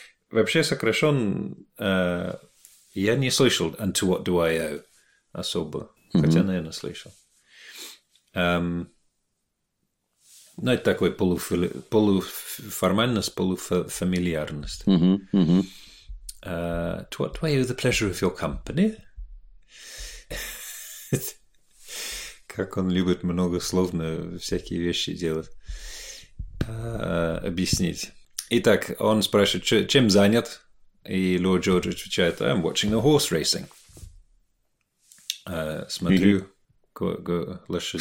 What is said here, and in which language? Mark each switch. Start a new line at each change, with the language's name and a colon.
Russian: Вообще сокращён. Я не слышал
English: and to what do I owe
Russian: особо. Хотя, наверное, слышал. Знаете, такой полуформальность, полуфамильярность.
English: To what do I owe the pleasure of your company?
Russian: Как он любит многословно всякие вещи делать. Объяснить. Итак, он спрашивает, чем занят? И Lord George отвечает,
English: I'm watching the horse racing.
Russian: Смотрю. Лошадиные...